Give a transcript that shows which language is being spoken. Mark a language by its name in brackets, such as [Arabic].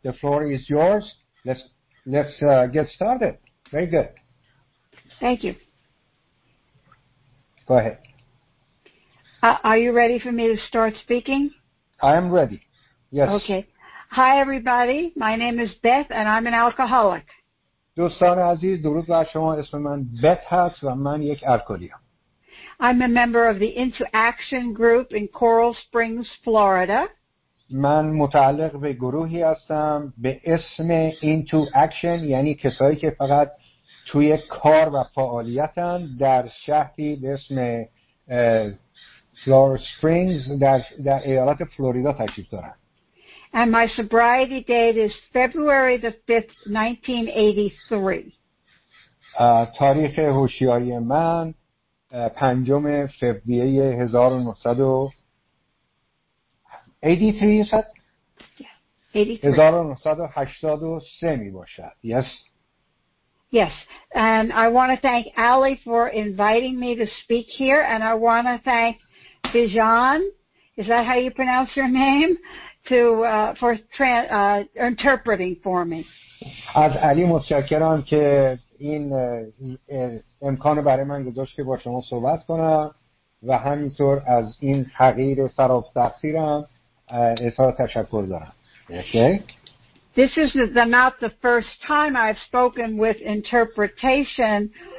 [English] The floor is yours. Let's get started. Very good. Thank you. Go ahead. Are you ready for me to start speaking? I am ready. Yes. Okay. Hi, everybody. My name is Beth, and I'm an alcoholic. [Persian] دوستان عزیز، درود بر شما. اسم من بت هست و من یک الکلیم. [English] I'm a member of the Into Action group in Coral Springs, Florida. [Persian] من متعلق به گروهی هستم به اسم Into Action، یعنی کسایی که فقط توی کار و فعالیتن در شهری به اسم Coral Springs در ایالت فلوریدا تشریف دارن. [English] And my sobriety date is February the 5th, 1983. [Persian] تاریخ هوشیاری من پنجم فوریه 1983 می باشد. [English] Yes. Yes. And I want to thank Ali for inviting me to speak here, and I want to thank Bijan. Is that how you pronounce your name? For interpreting for me. [Persian] از علی متشکرم که این امکان برای من گذاشت که با شما صحبت کنم و همینطور از این تغییر سراب تأثیرم اظهار تشکر دارم. [English] Okay. This is not the first time I've spoken with interpretation.